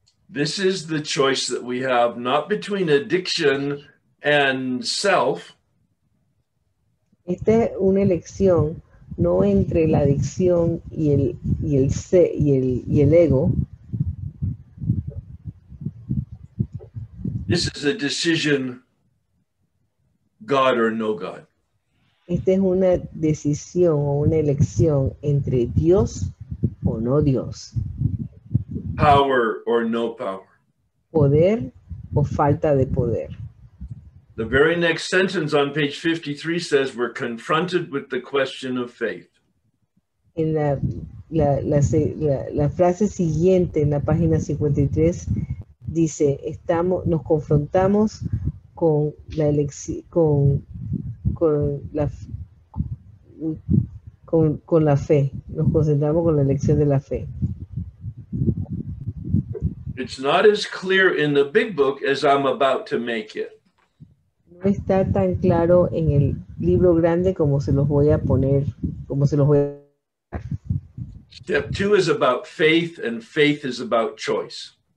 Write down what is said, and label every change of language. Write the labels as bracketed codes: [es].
[en] This is the choice that we have, not between addiction and self. [es] Esta es una elección, no entre la adicción y el ego. [en] This is a decision, God or no God. [es] Esta es una decisión o una elección entre Dios o no Dios. [en] Power or no power. [es] Poder o falta de poder. [en] The very next sentence on page 53 says we're confronted with the question of faith. [es] En la frase siguiente en la página 53 dice nos confrontamos con la elección con la fe. Nos concentramos con la elección de la fe. [en] It's not as clear in the big book as I'm about to make it. [es] No está tan claro en el libro grande como se los voy a poner, como se los voy a dar. [en] Step two is about faith, and faith is about choice.